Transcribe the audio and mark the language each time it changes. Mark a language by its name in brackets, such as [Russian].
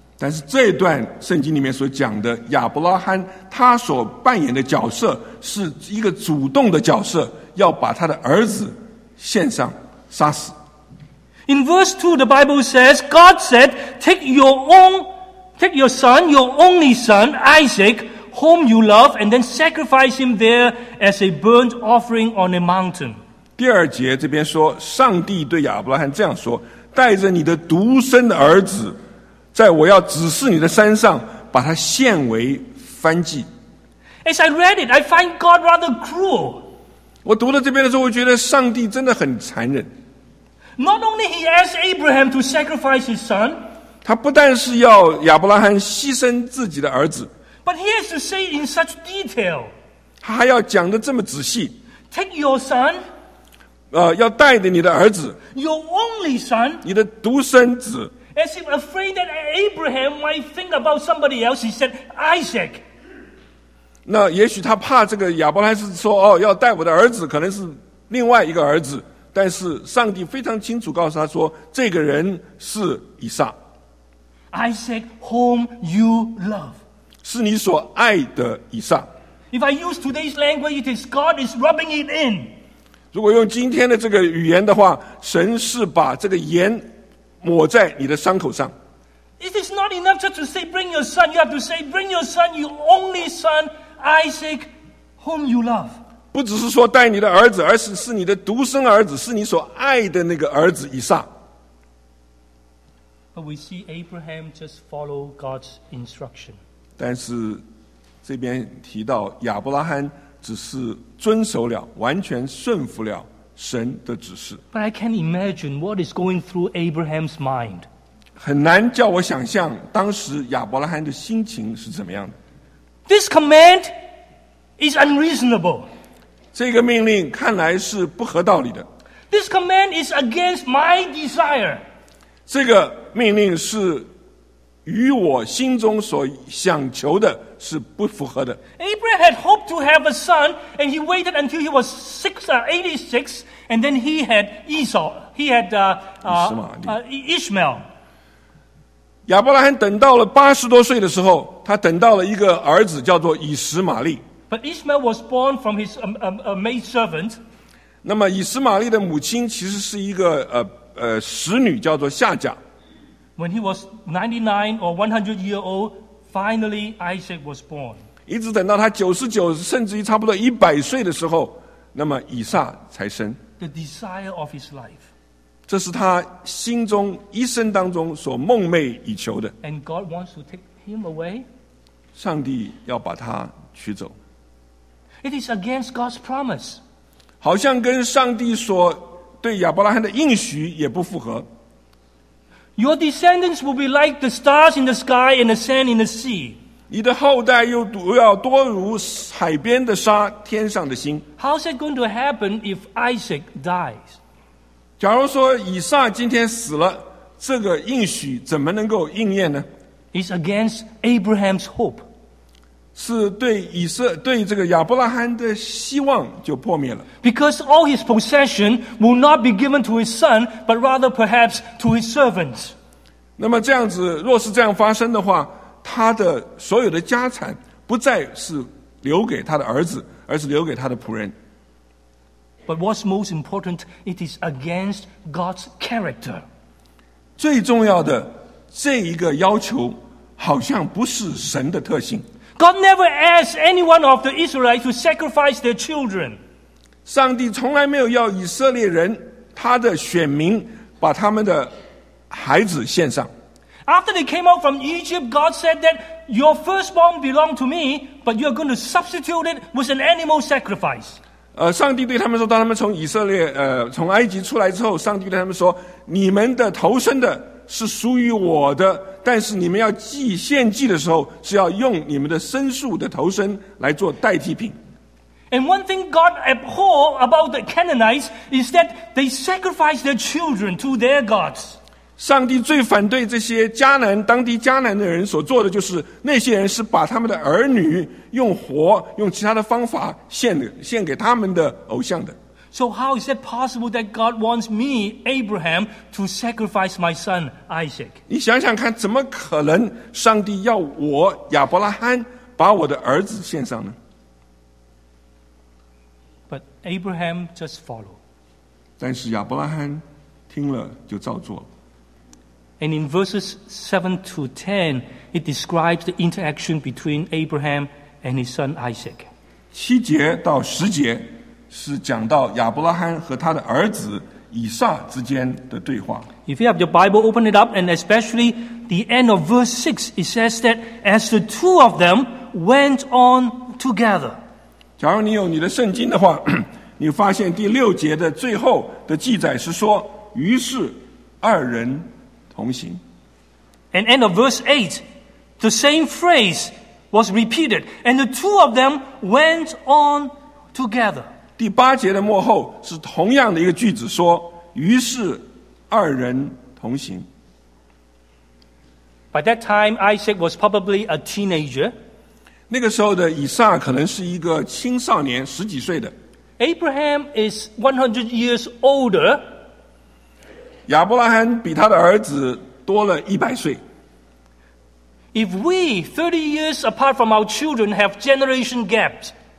[Chinese] 但是这段圣经里面所讲的亚伯拉罕，他所扮演的角色是一个主动的角色。要把他的儿子献上杀死。 [English] In verse 2, the Bible says, God said, take your son, your only son, Isaac, whom you love, and then sacrifice him there as a burnt offering on a mountain. [Chinese] 第二节这边说，上帝对亚伯拉罕这样说，带着你的独生的儿子，在我要指示你的山上，把他献为燔祭。 [English] As I read it, I find God rather cruel. [Chinese] 我读到这边的时候，我觉得上帝真的很残忍。 [English] Not only he asked Abraham to sacrifice his son, [Chinese] 他不但是要亚伯拉罕牺牲自己的儿子， [English] but he has to say in such detail, [Chinese] 他还要讲得这么仔细。 [English] Take your son, [Chinese] 要带着你的儿子， [English] your only son, [Chinese] 你的独生子， [English] as if afraid that Abraham might think about somebody else, he said Isaac. [Chinese] 那也许他怕这个亚伯拉罕是说哦，要带我的儿子，可能是另外一个儿子。但是上帝非常清楚告诉他说，这个人是以撒。 [English] Isaac, whom you love, [Chinese] 是你所爱的以撒。 [English] If I use today's language, it is God is rubbing it in. [Chinese] 如果用今天的这个语言的话，神是把这个盐抹在你的伤口上。 [English] It is not enough just to say, bring your son. You have to say, bring your son, your only son, Isaac, whom you love. [Chinese] 不只是说带你的儿子，而是是你的独生儿子，是你所爱的那个儿子以撒。 [English] But we see Abraham just follow God's instruction. [Chinese] 但是这边提到亚伯拉罕只是遵守了，完全顺服了神的指示。 [English] But I can't imagine what is going through Abraham's mind. [Chinese] 很难叫我想象当时亚伯拉罕的心情是怎么样的。 [English] This command is unreasonable. [Chinese] 这个命令看来是不合道理的。 [English] This command is against my desire. [Chinese] 这个命令是与我心中所想求的是不符合的。 [English] Abraham had hoped to have a son, and he waited until he was 86, and then he had Esau. He had Ishmael. [Chinese] 亚伯拉罕等到了80多岁的时候，他等到了一个儿子叫做以实玛利。 [English] But Ishmael was born from his maid servant. [Chinese] 那么以实玛利的母亲其实是一个使女，叫做夏甲。 [English] When he was 99 or 100 years old, finally Isaac was born. [Chinese] 一直等到他99甚至于差不多100岁的时候，那么以撒才生。 [English] The desire of his life. [Chinese] 这是他心中一生当中所梦寐以求的。 [English] And God wants to take him away. [Chinese] 上帝要把他取走。 [English] It is against God's promise. [Chinese] 好像跟上帝所对亚伯拉罕的应许也不符合。 [English] Your descendants will be like the stars in the sky and the sand in the sea. [Chinese] 你的后代又要多如海边的沙，天上的星。 [English] How's it going to happen if Isaac dies? [Chinese] 假如说以撒今天死了，这个应许怎么能够应验呢？ [English] It's against Abraham's hope. [Chinese] 是对以色对这个亚伯拉罕的希望就破灭了。 [English] Because all his possession will not be given to his son, but rather perhaps to his servants. [Chinese] 那么这样子，若是这样发生的话，他的所有的家产不再是留给他的儿子，而是留给他的仆人。 [English] But what's most important, it is against God's character. [Chinese] 最重要的这一个要求好像不是神的特性。 [English] God never asked any one of the Israelites to sacrifice their children. [Chinese] 上帝从来没有要以色列人他的选民把他们的孩子献上。 [English] After they came out from Egypt, God said that your firstborn belonged to me, but you are going to substitute it with an animal sacrifice. [Chinese] 上帝对他们说，当他们从以色列从埃及出来之后，上帝对他们说，你们的头生的是属于我的，但是你们要祭献祭的时候是要用你们的牲畜的头身来做代替品。 [English] And one thing God abhor about the Canaanites is that they sacrifice their children to their gods. [Chinese] 上帝最反对这些迦南当地迦南的人所做的，就是那些人是把他们的儿女用火用其他的方法献给他们的偶像的。 [English] So how is it possible that God wants me, Abraham, to sacrifice my son, Isaac? [Chinese] 你想想看，怎么可能上帝要我亚伯拉罕把我的儿子献上呢？ [English] But Abraham just followed. [Chinese] 但是亚伯拉罕听了就照做了。 [English] And in verses 7 to 10, it describes the interaction between Abraham and his son Isaac. [Chinese] 七节到十节是讲到亚伯拉罕和他的儿子以撒之间的对话。 [English] If you have your Bible, open it up, and especially the end of verse 6, it says that as the two of them went on together. [Chinese] 假如你有你的圣经的话，你发现第六节的最后的记载是说，于是二人同行。 [English] And end of verse 8, the same phrase was repeated, and the two of them went on together. [Chinese] 第八节的末后是同样的一个句子，说于是二人同行。 [English] By that time Isaac was probably a teenager. [Chinese] 那个时候的以撒可能是一个青少年，十几岁的。 [English] Abraham is 100 years older. [Chinese] 亚伯拉罕比他的儿子多了100岁。 [English] If we 30 years apart from our children have generation gaps,